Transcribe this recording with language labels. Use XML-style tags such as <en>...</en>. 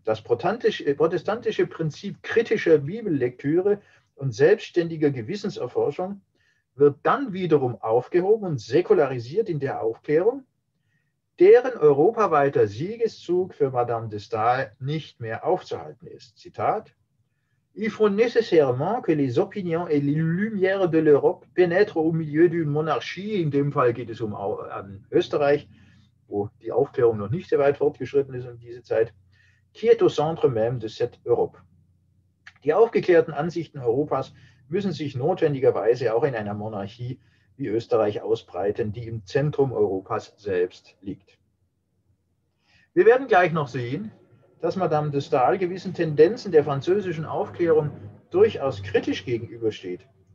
<de>Das protestantische Prinzip kritischer Bibellektüre und selbstständiger Gewissenserforschung wird dann wiederum aufgehoben und säkularisiert in der Aufklärung, deren europaweiter Siegeszug für Madame de Staël nicht mehr aufzuhalten ist.</de> <fr>Zitat: Il faut nécessairement que les opinions et les lumières de l'Europe pénètrent au milieu d'une monarchie.</fr> <de>In dem Fall geht es um Österreich, wo die Aufklärung noch nicht sehr weit fortgeschritten ist in dieser Zeit.</de> <fr>Qui est au centre même de cette Europe?</fr> <de>Die aufgeklärten Ansichten Europas müssen sich notwendigerweise auch in einer Monarchie wie Österreich ausbreiten, die im Zentrum Europas selbst liegt. Wir werden gleich noch sehen, dass Madame de Staël gewissen Tendenzen der französischen Aufklärung durchaus kritisch gegenübersteht.</de>